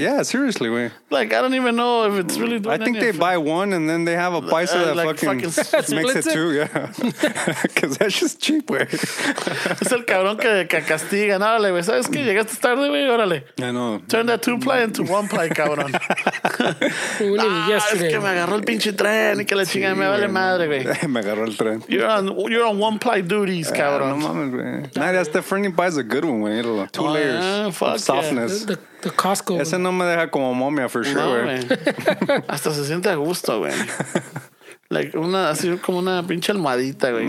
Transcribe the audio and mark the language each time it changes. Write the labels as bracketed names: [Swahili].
[English] Yeah, seriously, güey. Like, I don't even know if it's really doing anything. I think they buy one and then they have a paisa that like fucking makes it true, yeah. Because that's just cheap, güey. [Spanish] Es el cabrón que castiga. Órale, güey. ¿Sabes qué? Llegaste tarde, güey. Órale. [English] I know. Turn that two ply into one ply, cabrón. [Spanish] Es que me agarró el pinche tren y que la chingada me vale madre, güey. Me agarró el tren. [English] You're on one ply duty. [Spanish] Cabrón. No mames, güey. [English] Nah, that's the friend he buys a good one, güey. Two layers of softness. Yeah. The Costco. [Spanish] Ese no me deja como momia, [English] for sure, [Spanish] güey. No, hasta se siente a gusto, güey. Like, una, así como una pinche almohadita, güey.